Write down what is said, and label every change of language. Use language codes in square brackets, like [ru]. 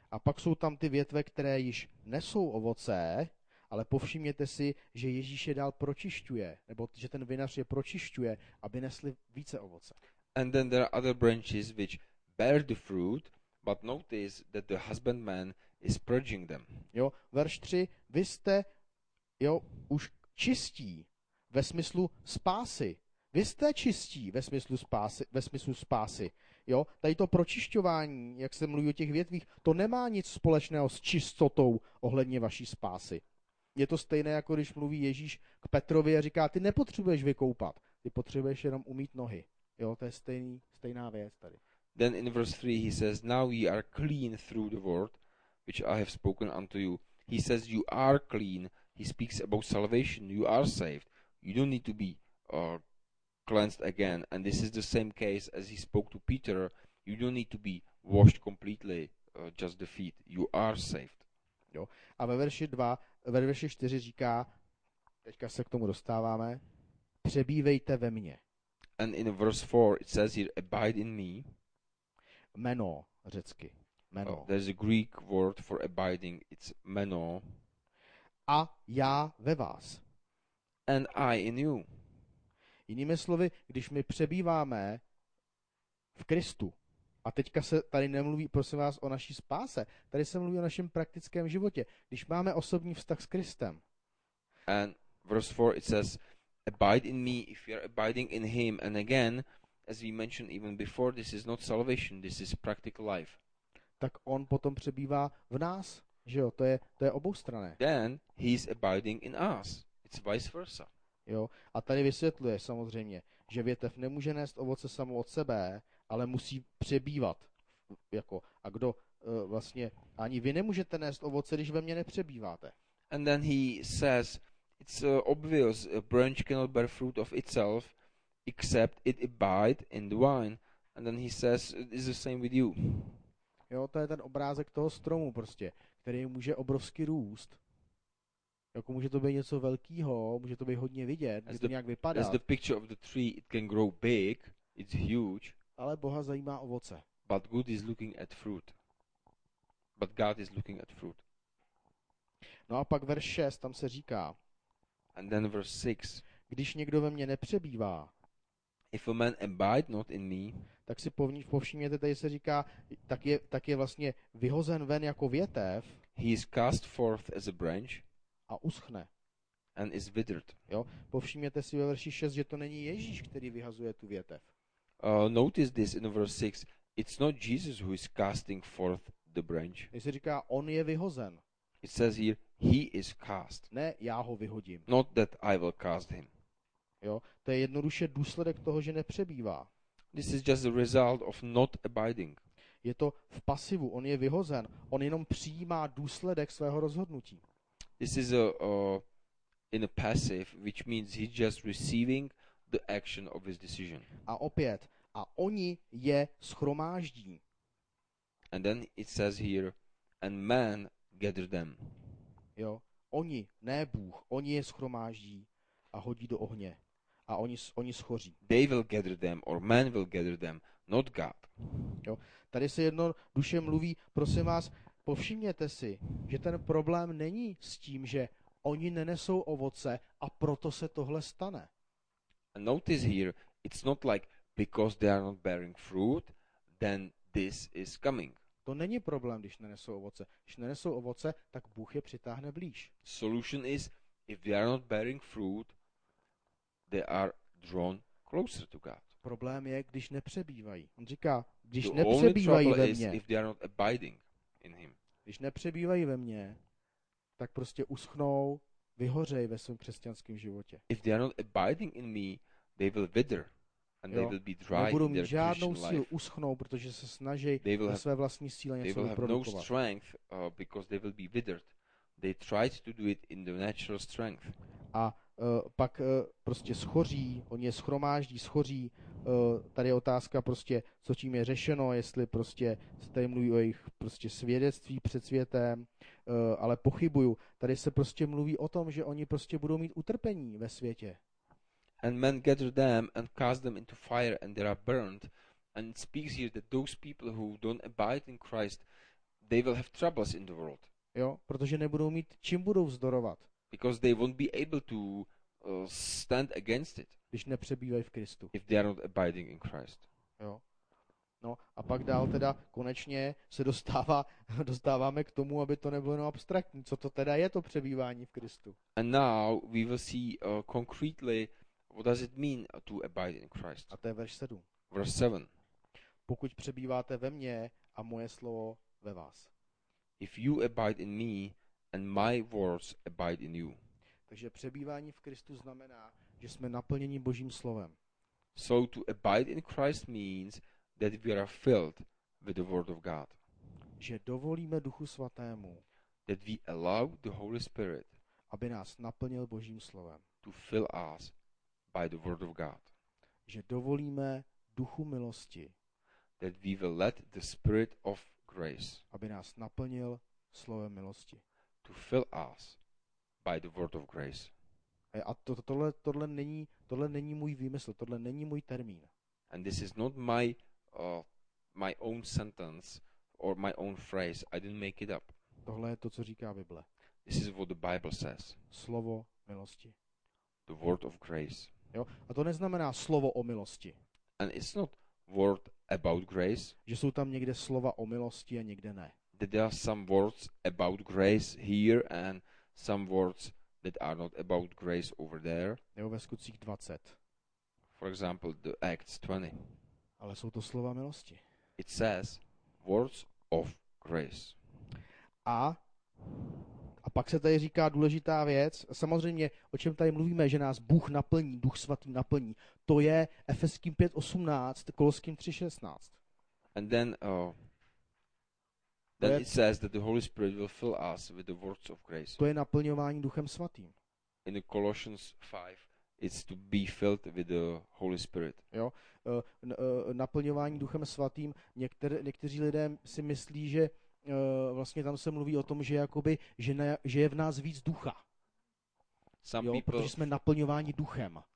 [cs] A pak jsou tam ty větve, které již nesou ovoce, ale povšimněte si, že Ježíš je dál pročišťuje, nebo že ten vinař je pročišťuje, aby nesli více ovoce. [en] And then there are other branches which bear the fruit, but notice that the husbandman is purging them. [cs] Jo, verš 3, vy jste, jo, už čistí. Ve smyslu spásy. Vy jste čistí ve smyslu spásy. Jo? Tady to pročišťování, jak se mluví o těch větvích, to nemá nic společného s čistotou ohledně vaší spásy. Je to stejné, jako když mluví Ježíš k Petrovi a říká, ty nepotřebuješ vykoupat, ty potřebuješ jenom umýt nohy. Jo? To je stejná věc tady. [en] Then in verse 3 he says, now ye are clean through the word, which I have spoken unto you. He says, you are clean. He speaks about salvation. You are saved. You don't need to be cleansed again, and this is the same case as he spoke to Peter. You don't need to be washed completely, just the feet. You are saved. [cs] Jo. A ve verši 2, ve verši 4 říká, teďka se k tomu dostáváme, přebývejte ve mně. [en] And in verse 4 it says here, abide in me. [cs] Meno, řecky. Meno. [en] There's a Greek word for abiding, it's meno. [cs] A já ve vás. [en] And I in you. [cs] Jinými slovy, když my přebýváme v Kristu, a teďka se tady nemluví, prosím vás, o naší spáse, tady se mluví o našem praktickém životě, když máme osobní vztah s Kristem. [en] And verse 4 it says, abide in me if you are abiding in him. And again, as we mentioned even before, this is not salvation, this is practical life. [cs] Tak on potom přebývá v nás, že jo, to je oboustranné. [en] Then he is abiding in us. It's vice versa. [cs] Jo? A tady vysvětluje samozřejmě, že větev nemůže nést ovoce samo od sebe, ale musí přebývat. Jako, a kdo vlastně, ani vy nemůžete nést ovoce, když ve mně nepřebýváte. [en] And then he says, it's obvious a branch cannot bear fruit of itself, except it abide in the vine. And then he says, it's the same with you. [cs] Jo, to je ten obrázek toho stromu prostě, který může obrovsky růst. Jako může to být něco velkého, může to být hodně vidět, může to nějak vypadat. [en] As the picture of the tree, it can grow big, it's huge. [cs] Ale Boha zajímá ovoce. [en] But God is looking at fruit. But God is looking at fruit. [cs] No a pak verš 6, tam se říká. [en] And then verse 6. [cs] Když někdo ve mně nepřebývá. [en] If a man abide not in me. [cs] Tak si povšimněte, tady se říká, tak je vlastně vyhozen ven jako větev. [en] He is cast forth as a branch. [cs] A uschne. [en] And is withered. [cs] Jo? Povšimněte si ve verši 6, že to není Ježíš, který vyhazuje tu větev. [en] Notice this in verse 6. It's not Jesus who is casting forth the branch. [cs] Tady se říká, on je vyhozen. [en] It says here, he is cast. [cs] Ne, já ho vyhodím. [en] Not that I will cast him. [cs] Jo? To je jednoduše důsledek toho, že nepřebývá. [en] This is just a result of not abiding. [cs] Je to v pasivu, on je vyhozen. On jenom přijímá důsledek svého rozhodnutí. [en] This is in a passive, which means he's just receiving the action of his decision. [cs] A opět, a oni je shromáždí. [en] And then it says here, and man gather them. [cs] Jo, oni, ne Bůh, oni je shromáždí a hodí do ohně. A oni schoří. [en] They will gather them, or man will gather them, not God. [cs] Jo, tady se jedno duše mluví, prosím vás, povšimněte si, že ten problém není s tím, že oni nenesou ovoce a proto se tohle stane. [en] And notice here, it's not like because they are not bearing fruit, then this is coming. [cs] To není problém, když nenesou ovoce. Když nenesou ovoce, tak Bůh je přitáhne blíž. [en] Solution is, if they are not bearing fruit, they are drawn closer to God. [cs] Problém je, když nepřebývají. On říká, když nepřebývají ve mně. [en] If they are not abiding in him. [cs] Když nepřebývají ve mně, tak prostě uschnou, vyhořej ve svém křesťanském životě. [en] If they are not abiding in me, they will wither. And they will be dry. [cs] Nebudou mít [en] their [cs] žádnou [en] Christian [cs] sílu [en] life. [cs] Uschnou, protože se snaží na své vlastní síle něco vyprodukovat. [en] They will have no strength because they will be withered. They tried to do it in the natural strength. [cs] A pak prostě schoří, oni je shromáždí, schoří. Tady je otázka prostě, co tím je řešeno, jestli prostě se tady mluví o jejich prostě svědectví před světem, ale pochybuju. Tady se prostě mluví o tom, že oni prostě budou mít utrpení ve světě. [en] And men gather them and cast them into fire and they are burned. And it speaks here that those people who don't abide in Christ, they will have troubles in the world. [cs] Jo, protože nebudou mít čím budou vzdorovat. [en] Because they won't be able to stand against it. [cs] Když nepřebývají v Kristu. [en] If they are not abiding in Christ. [cs] Jo. No, a pak dál teda konečně se dostáváme k tomu, aby to nebylo jenom abstraktní. Co to teda je to přebývání v Kristu? [en] And now we will see concretely what does it mean to abide in Christ? [cs] A to je verš 7. [en] Verse 7. [cs] Pokud přebýváte ve mně a moje slovo ve vás. [en] If you abide in me and my words abide in you. [cs] Takže přebývání v Kristu znamená, že jsme naplněni Božím slovem. [en] So to abide in Christ means that we are filled with the word of God. [cs] Že dovolíme Duchu Svatému. [en] That we allow the Holy Spirit. [cs] Aby nás naplnil Božím slovem. [en] To fill us by the word of God. [cs] Že dovolíme Duchu milosti. [en] That we will let the Spirit of grace. [cs] Aby nás naplnil slovem milosti. [en] To fill us by the word of grace. [cs] A tohle není můj výmysl, tohle není můj termín. [en] And this is not my own sentence or my own phrase. I didn't make it up. [cs] Tohle je to, co říká Bible. [en] This is what the Bible says. [cs] Slovo milosti. [en] The word of grace. [cs] Jo? A to neznamená slovo o milosti. [en] And it's not word about grace. [cs] Že jsou tam někde slova o milosti a někde ne. [en] That there are some words about grace here and some words that are not about grace over there. [cs] Jo, ve Skutcích 20. [en] For example, the Acts 20. [cs] Ale jsou to slova milosti. [en] It says words of grace. [cs] A pak se tady říká důležitá věc. Samozřejmě, o čem tady mluvíme, že nás Bůh naplní, Duch svatý naplní. To je Efeským 5:18, Koloským 3:16. [en] And then then it says that the Holy Spirit will fill us with the words of grace. [cs] To je naplňování Duchem svatým. [en] In the Colossians 5 it's to be filled with the Holy Spirit. [cs] Jo, naplňování Duchem svatým, někteří lidé si myslí, že vlastně tam se mluví o tom, že jakoby, že je v nás víc ducha. [en] Some [cs] jo, [en] people, [cs] protože jsme naplňováni duchem.